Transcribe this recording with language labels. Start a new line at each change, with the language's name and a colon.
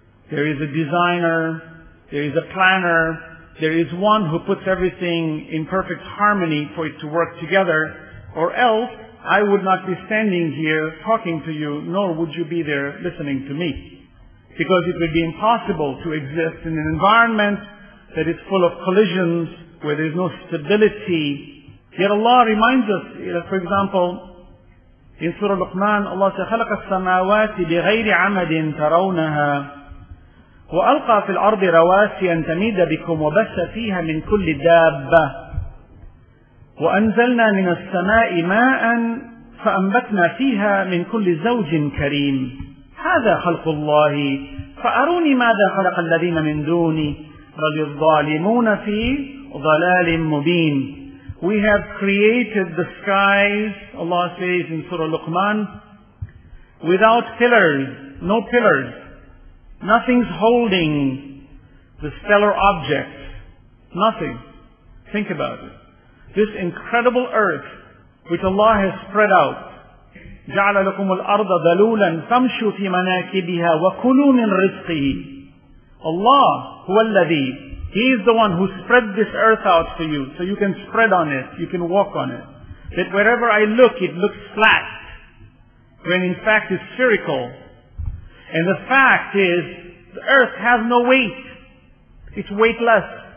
English: there is a designer, there is a planner, there is one who puts everything in perfect harmony for it to work together, or else I would not be standing here talking to you, nor would you be there listening to me. Because it would be impossible to exist in an environment that is full of collisions, where there is no stability. Yet Allah reminds us, for example, in Surah Luqman, Allah says,
Arabic: خَلَقَ السَّمَاوَاتِ بِغَيْرِ عَمَدٍ تَرَوْنَهَا وَأَلْقَى فِي الْأَرْضِ رَوَاسِيًا تَمِيدَ بِكُمْ وَبَثَّ فِيهَا مِنْ كُلِّ دَابَّةٍ وَأَنْزَلْنَا مِنَ السَّمَاءِ مَاءً فَأَنْبَتْنَا فِيهَا مِنْ كُلِّ زَوْجٍ كَرِيمٍ هَذَا خَلْقُ اللَّهِ فَأَرُونِي مَاذَا خَلَقَ الَّذِينَ مِنْ دُونِي بَلِ الظَّالِمُونَ فِي ضَلَالٍ مُبِينٍ.
English: We have created the skies, Allah says in Surah Luqman, without pillars, no pillars. Nothing's holding the stellar objects. Nothing. Think about it. This incredible earth, which Allah has spread out,
Arabic: جَعْلَ لَكُمُ الْأَرْضَ ذَلُولًا فَمْشُوا فِي مَنَاكِبِهَا وَكُلُوا مِنْ رِزْقِهِ.
English: Allah,
Arabic: هو الذي,
English: He is the one who spread this earth out for you, so you can spread on it, you can walk on it. That wherever I look, it looks flat, when in fact it's spherical. And the fact is, the earth has no weight. It's weightless.